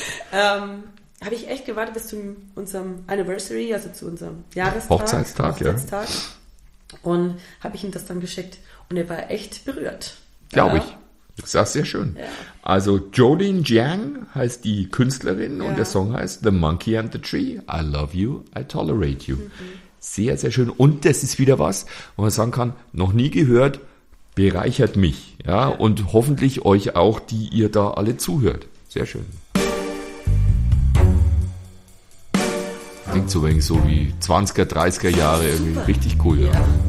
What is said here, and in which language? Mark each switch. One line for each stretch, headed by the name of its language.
German: Habe ich echt gewartet bis zu unserem Anniversary, also zu unserem Jahrestag. Hochzeitstag. Ja. Und habe ich ihm das dann geschickt. Und er war echt berührt. Glaube ich. Das ist sehr schön. Ja. Also Jolene Jiang heißt die Künstlerin ja. und der Song heißt The Monkey and the Tree.
English: I love you, I tolerate you. Mhm.
German: Sehr, sehr schön. Und das ist wieder was, wo man sagen kann, noch nie gehört, bereichert mich. Ja, ja. Und hoffentlich euch auch, die ihr da alle zuhört. Sehr schön. Klingt so wenig so wie 20er, 30er Jahre. Super. Irgendwie richtig cool. Ja.